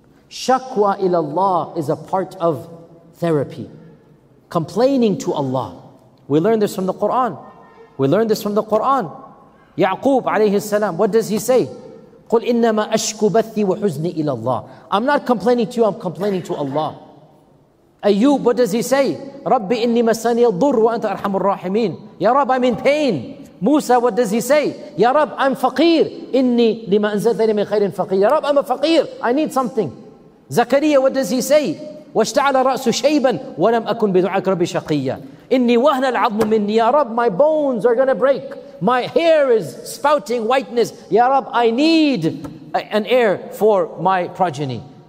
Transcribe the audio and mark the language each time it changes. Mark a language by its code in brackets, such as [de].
[en] Shakwa ilallah is a part of therapy. Complaining to Allah. We learn this from the Quran. Ya'qub alayhi salam, what does he say? [ar] قُلْ إِنَّمَا أَشْكُ بَثِّي وَحُزْنِي إِلَى اللَّهِ. [en] I'm not complaining to you, I'm complaining to Allah. Ayyub, what does he say? [ar] رَبِّ إِنِّي مَسَّنِيَ الضُّرُّ وَأَنْتَ أَرْحَمُ الرَّاحِمِينَ. [en] Ya Rab, I'm in pain. Musa, what does he say? Ya Rab, I'm faqir. [ar] إِنِّي لِمَا أَنْزَلْتَنِي مِنْ خَيْرٍ فَقِيرٍ. [en] Ya Rab, I'm a faqir. I need something. Zakariya, what does he say? [ar] وَاشْتَعَلَ رَأْسُ شَيْبًا وَلَمْ أَكُنْ بِدُعَاكَ رَبِّ شَقِيًّا. إِنِّي وَهْنَ الْعَظْمُ مِنِّي. [en] Ya Rab, my bones are gonna break. My hair is spouting whiteness. Ya Rab, I need an heir for my progeny.